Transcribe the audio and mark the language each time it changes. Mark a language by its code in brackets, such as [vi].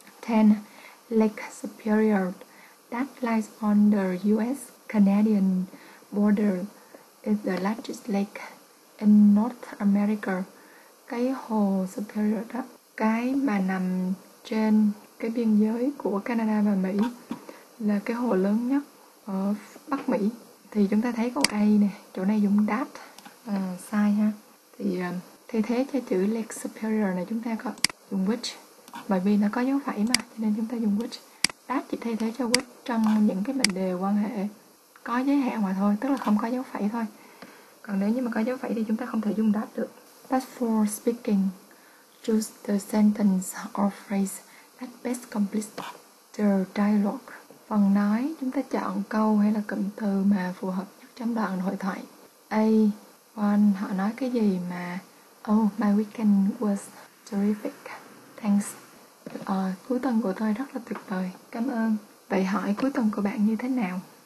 [en] Ten, leg superior that lies on the US-Canadian border is the largest lake in North America. [vi] Cái hồ Superior đó, cái mà nằm trên cái biên giới của Canada và Mỹ, là cái hồ lớn nhất ở Bắc Mỹ. Thì chúng ta thấy câu A nè, chỗ này dùng that sai ha. Thì thay thế cho chữ Lake Superior này chúng ta có dùng which. Bởi vì nó có dấu phẩy mà, cho nên chúng ta dùng which. That chỉ thay thế cho which trong những cái mệnh đề quan hệ có giới hạn mà thôi, tức là không có dấu phẩy thôi. Còn nếu như mà có dấu phẩy thì chúng ta không thể dùng that được. [en] But for speaking, choose the sentence or phrase that best completes the dialogue. [vi] Phần nói, chúng ta chọn câu hay là cụm từ mà phù hợp nhất trong đoạn hội thoại. A. [en] One, [vi] họ nói cái gì mà [en] oh, my weekend was terrific. Thanks. [vi] Cuối tuần của tôi rất là tuyệt vời. Cảm ơn. Vậy hỏi cuối tuần của bạn như thế nào?